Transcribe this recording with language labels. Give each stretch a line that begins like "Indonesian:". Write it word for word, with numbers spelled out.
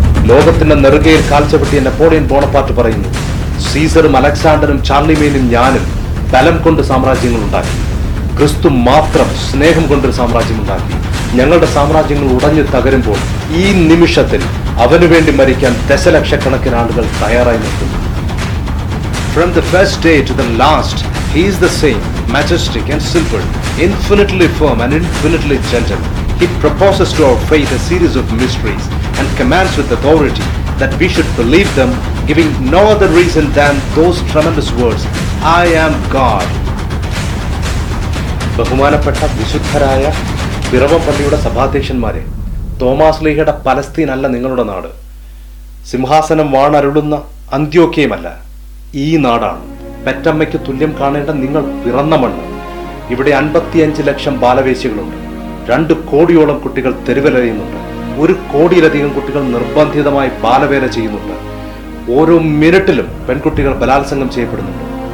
Malayalam: ലോകത്തിന്റെ നെറുകയിൽ കാൽച്ചവെട്ടിയ Napoleon Bonaparte പറയുന്നു, സീസറും അലക്സാണ്ടറും ചാർലിമേനും ഞാനും ബലം കൊണ്ട് സാമ്രാജ്യങ്ങൾ ഉണ്ടാക്കി, ക്രിസ്തു മാത്രം സ്നേഹം കൊണ്ടൊരു സാമ്രാജ്യം ഉണ്ടാക്കി. ഞങ്ങളുടെ സാമ്രാജ്യങ്ങൾ ഉടഞ്ഞു തകരുമ്പോൾ ഈ നിമിഷത്തിൽ അവനു വേണ്ടി മരിക്കാൻ ദശലക്ഷക്കണക്കിന് ആളുകൾ തയ്യാറായി നിൽക്കുന്നു.
English: From the first day to the last, he is the same, majestic and simple, infinitely firm and infinitely gentle. He proposes to our faith a series of mysteries and commands with authority that we should believe them, giving no other reason than those tremendous words, I am God.
Malayalam: ബഹുമാനപ്പെട്ട വിശുദ്ധരായ പിറവപ്പള്ളിയുടെ സഭാധ്യക്ഷന്മാരെ, Thomas ലീഹയുടെ പലസ്തീനല്ല നിങ്ങളുടെ നാട്, സിംഹാസനം വാണരുളുന്ന അന്ത്യോക്യയുമല്ല ഈ നാടാണ്. പെറ്റമ്മയ്ക്ക് തുല്യം കാണേണ്ട നിങ്ങൾ പിറന്ന മണ്ണ്. ഇവിടെ അൻപത്തിയഞ്ച് ലക്ഷം ബാലവേശികളുണ്ട്, രണ്ട് കോടിയോളം കുട്ടികൾ തെരുവിലറിയുന്നുണ്ട്, ഒരു കോടിയിലധികം കുട്ടികൾ നിർബന്ധിതമായി ബാലവേല ചെയ്യുന്നുണ്ട്, ഓരോ മിനിറ്റിലും പെൺകുട്ടികൾ ബലാത്സംഗം ചെയ്യപ്പെടുന്നുണ്ട്.